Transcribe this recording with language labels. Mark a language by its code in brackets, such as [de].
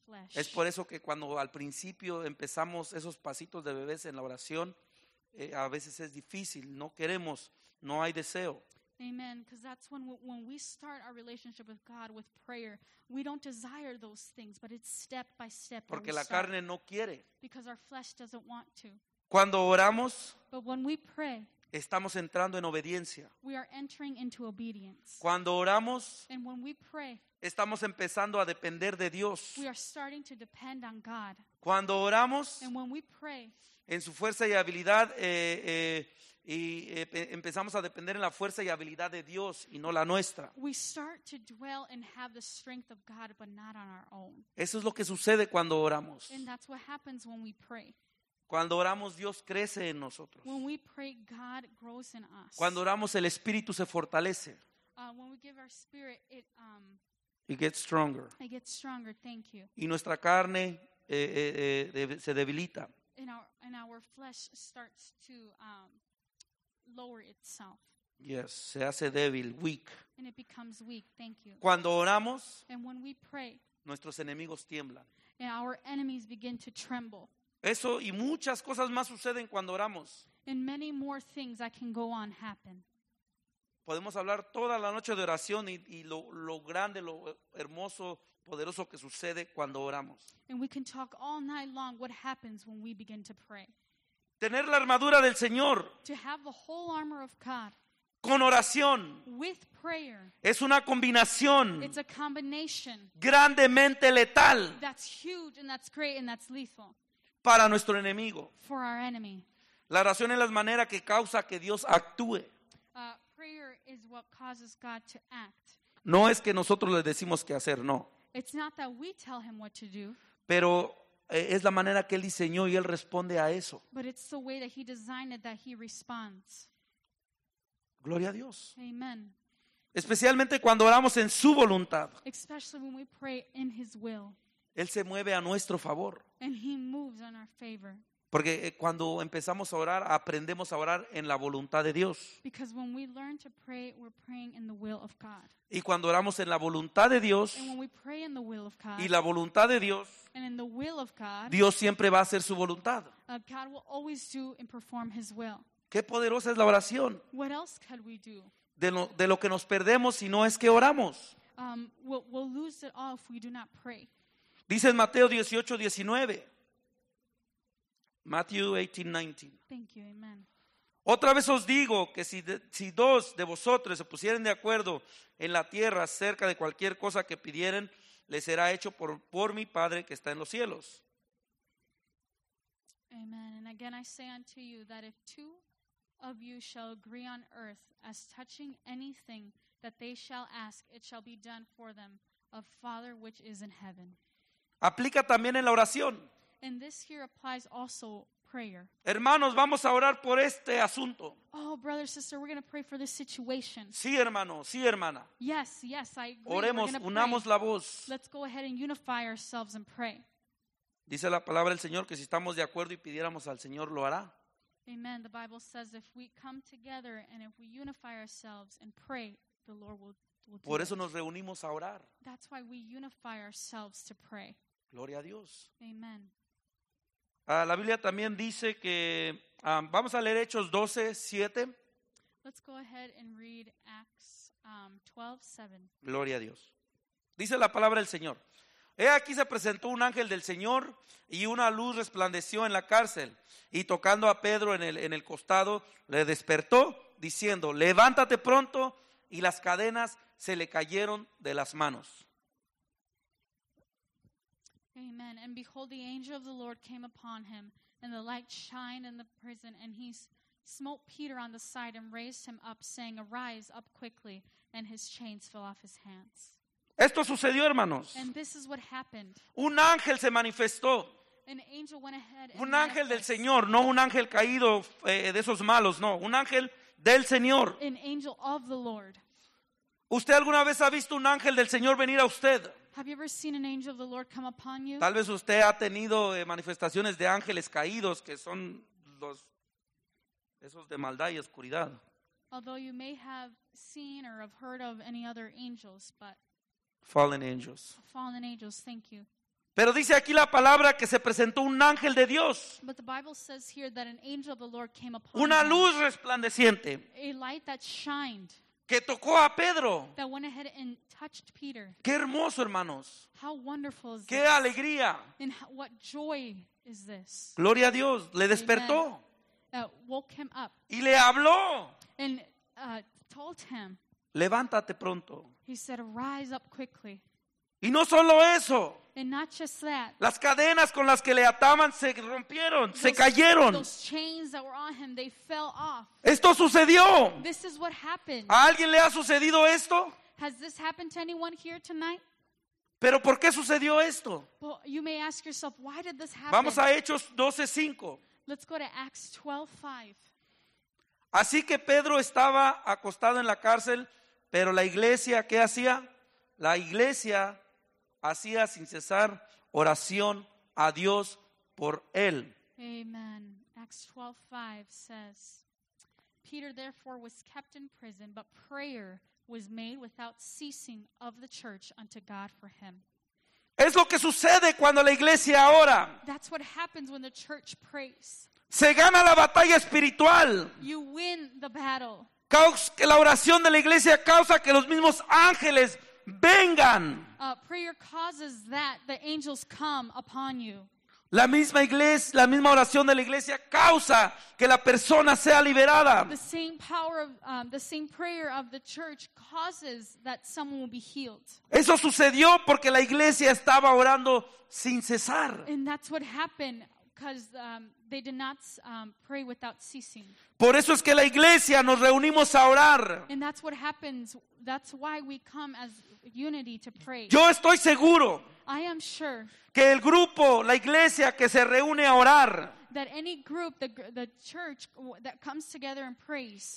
[es] Es por eso que cuando al principio empezamos esos pasitos de bebés en la oración, a veces es difícil, no queremos, no hay deseo. [en] Amen. Because that's when we start our relationship with God with prayer, we don't desire those things, but it's step by step. [es] Porque la carne no quiere. [en] Because our flesh doesn't want to. [es] Cuando oramos, [en] but when we pray, [es] estamos entrando en obediencia. [en] We are entering into obedience. [es] Cuando oramos, [en] and when we pray, [es] estamos empezando a depender de Dios. [en] We are starting to depend on God. [es] Cuando oramos, [en] and when we pray, [es] en su fuerza y habilidad, y empezamos a depender en la fuerza y habilidad de Dios y no la nuestra. [en] We start to dwell and have the strength of God, but not on our own. [es] Eso es lo que sucede cuando oramos. [en] And that's what happens when we pray. [es] Cuando oramos, Dios crece en nosotros. [en] When we pray, God grows in us. [es] Cuando oramos, el Espíritu se fortalece. [en] When we give our spirit, it gets stronger. It gets stronger. Thank you. [es] Y nuestra carne se debilita. [en] And our flesh starts to lower itself. [es] Yes, se hace débil, weak. [en] And it becomes weak. Thank you. [es] Cuando oramos, [en] and when we pray, [es] nuestros enemigos tiemblan. [en] And our enemies begin to tremble. [es] Eso y muchas cosas más suceden cuando oramos. [en] And many more things I can go on happen. [es] Podemos hablar toda la noche de oración y lo grande, lo hermoso, poderoso que sucede cuando oramos. [en] And we can talk all night long what happens when we begin to pray. [es] Tener la armadura del Señor. [en] To have the whole armor of God. [es] Con oración. [en] With prayer. [es] Es una combinación. [en] It's a combination. [es] Grandemente letal. [en] That's huge and that's great and that's lethal. [es] Para nuestro enemigo. [en] For our enemy. [es] La oración es la manera que causa que Dios actúe. [en] Prayer is what causes God to act. [es] No es que nosotros le decimos qué hacer, no. [en] It's not that we tell him what to do. [es] Pero es la manera que él diseñó y él responde a eso. [en] But it's the way that he designed it that he responds. [es] Gloria a Dios. [en] Amen. [es] Especialmente cuando oramos en su voluntad. [en] Especially when we pray in his will. [es] Él se mueve a nuestro favor. [en] And he moves in our favor. [es] Porque cuando empezamos a orar, aprendemos a orar en la voluntad de Dios. [en] Because when we learn to pray, we're praying in the will of God. [es] Y cuando oramos en la voluntad de Dios, [en] and when we pray in the will of God, [es] y la voluntad de Dios, [en] and in the will of God, [es] Dios siempre va a hacer su voluntad. [en] God will always do and perform his will. [es] ¡Qué poderosa es la oración! [en] What else could we do? [es] De lo que nos perdemos si no es que oramos. [en] We'll lose it all if we do not pray. [es] Dice en Mateo 18:19. Matthew 18:19. [en] Thank you, amen. [es] Otra vez os digo que si dos de vosotros se pusieren de acuerdo en la tierra acerca de cualquier cosa que pidieren, les será hecho por mi Padre que está en los cielos. [en] Amen. And again I say unto you that if two of you shall agree on earth as touching anything that they shall ask, it shall be done for them of Father which is in heaven. [es] Aplica también en la oración. [en] And this here applies also prayer. [es] Hermanos, vamos a orar por este asunto. [en] Oh, brother, sister, we're going to pray for this situation. [es] Sí, hermano, sí, hermana. [en] Yes, yes, I agree. [es] Oremos, unamos la voz. [en] Let's go ahead and unify ourselves and pray. [es] Dice la palabra del Señor que si estamos de acuerdo y pidiéramos al Señor, lo hará. [en] Amen. The Bible says if we come together and if we unify ourselves and pray, the Lord will do [es] Por eso nos reunimos a orar. [en] That's why we unify ourselves to pray. [es] Gloria a Dios. [en] Amen. [es] La Biblia también dice que vamos a leer Hechos 12:7. [en] Let's go ahead and read Acts 12:7. [es] Gloria a Dios. Dice la palabra del Señor. He aquí se presentó un ángel del Señor y una luz resplandeció en la cárcel y tocando a Pedro en el costado le despertó diciendo, levántate pronto y las cadenas se le cayeron de las manos. [en] Amen. And behold, the angel of the Lord came upon him and the light shined in the prison and he smote Peter on the side and raised him up saying, arise up quickly and his chains fell off his hands. [es] Esto sucedió, hermanos. [en] And this is what happened. [es] Un ángel se manifestó. [en] An angel went ahead [es] un ángel del Señor, no un ángel caído de esos malos, no. Un ángel del Señor. [en] An angel of the Lord. [es] ¿Usted alguna vez ha visto un ángel del Señor venir a usted? [en] Have you ever seen an angel of the Lord come upon you? [es] Tal vez usted ha tenido manifestaciones de ángeles caídos, que son los esos de maldad y oscuridad. [en] Although you may have seen or have heard of any other angels, but fallen angels. Fallen angels, thank you. [es] Pero dice aquí la palabra que se presentó un ángel de Dios. [en] But the Bible says here that an angel of the Lord came upon [es] una luz resplandeciente. [en] A light that shined. [es] Que tocó a Pedro. [en] That went ahead and touched Peter. [es] Qué hermoso, hermanos. [en] How wonderful is [es] qué [en] this? [es] Qué alegría. [en] And what joy is this? [es] Gloria a Dios, le despertó. [en] Woke him up. [es] Y le habló. [en] And told him. [es] Levántate pronto. [en] He said, "Arise up quickly." [es] Y no solo eso. [en] And not just that. [es] Las cadenas con las que le ataban se rompieron, se cayeron. [en] Those chains that were on him, they fell off. [es] Esto sucedió. [en] This is what happened. [es] ¿A alguien le ha sucedido esto? [en] Has this happened to anyone here tonight? [es] ¿Pero por qué sucedió esto? [en] Well, you may ask yourself, why did this happen? [es] Vamos a Hechos 12:5. [en] Let's go to Acts 12:5. [es] Así que Pedro estaba acostado en la cárcel, pero la iglesia, ¿qué hacía? La iglesia hacía sin cesar oración a Dios por él. [en] Amen. Acts 12:5 says, Peter therefore was kept in prison, but prayer was made without ceasing of the church unto God for him. [es] Es lo que sucede cuando la iglesia ora. [en] That's what happens when the church prays. [es] Se gana la batalla espiritual. [en] You win the battle. [es] Que la oración de la iglesia causa que los mismos ángeles vengan. [en] Prayer causes that the angels come upon you. [es] La misma iglesia, la misma oración de la iglesia causa que la persona sea liberada. [en] The same power of the same prayer of the church causes that someone will be healed. [es] Eso sucedió porque la iglesia estaba orando sin cesar. [en] And that's what happened because they did not pray without ceasing. [es] Por eso es que la iglesia nos reunimos a orar. [en] And that's what happens. That's why we come as unity to pray. [es] Yo estoy seguro. [en] I am sure. [es] Que el grupo, la iglesia que se reúne a orar. [en] That any group, the church that comes together and prays.